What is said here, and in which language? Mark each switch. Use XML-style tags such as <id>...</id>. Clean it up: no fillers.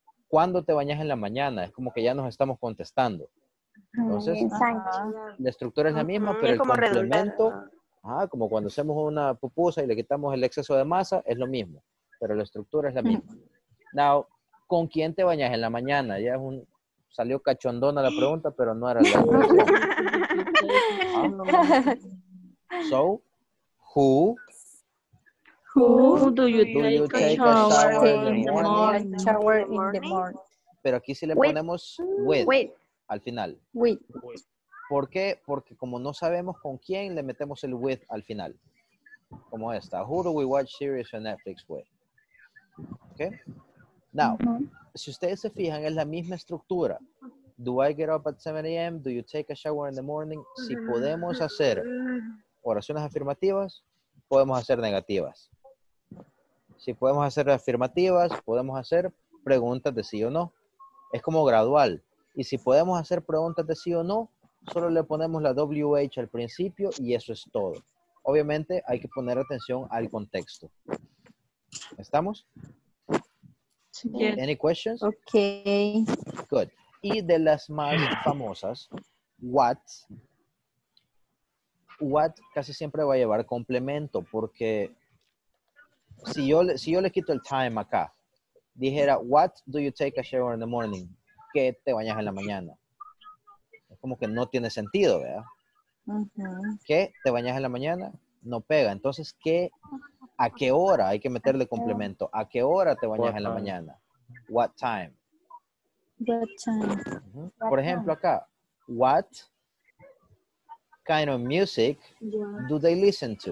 <es>¿cuándo te bañas en la mañana? Es como que ya nos estamos contestando. Entonces, la estructura es la misma, pero el complemento, como cuando hacemos una pupusa y le quitamos el exceso de masa, es lo mismo, pero la estructura es la misma. Now, ¿con quién te bañas en la mañana? Ya es un, salió cachondona la pregunta, pero no era la pregunta.</es> <en>So, who do you take a shower in the morning?</en> <es>Pero aquí sí le ponemos with. Al final.</es> <en>With.</en> <es>¿Por qué? Porque como no sabemos con quién, le metemos el with al final. Como esta.</es> <en>Who do we watch series on Netflix with? Okay.</en> <es>Now, si ustedes se fijan, es la misma estructura.</es> <en>Do I get up at 7 a.m.? Do you take a shower in the morning?</en> <es>Si podemos hacer oraciones afirmativas, podemos hacer negativas. Si podemos hacer afirmativas, podemos hacer preguntas de sí o no. Es como gradual. Y si podemos hacer preguntas de sí o no, solo le ponemos la WH al principio y eso es todo. Obviamente, hay que poner atención al contexto. ¿Estamos?</es> <en>Yes. Any questions? Okay. Good.</en> <es>Y de las más famosas, what? What casi siempre va a llevar complemento porque si yo le quito el time acá, dijera,</es> <en>what do you take a shower in the morning?</en> <es>¿Qué te bañas en la mañana? Es como que no tiene sentido, ¿verdad? ¿Qué te bañas en la mañana? No pega. Entonces, ¿qué? ¿A qué hora? Hay que meterle complemento. ¿A qué hora te bañas en la mañana?</es> <en>What time? What time?</en> <es>Por ejemplo, acá.</es> <en>What kind of music do they listen to?</en>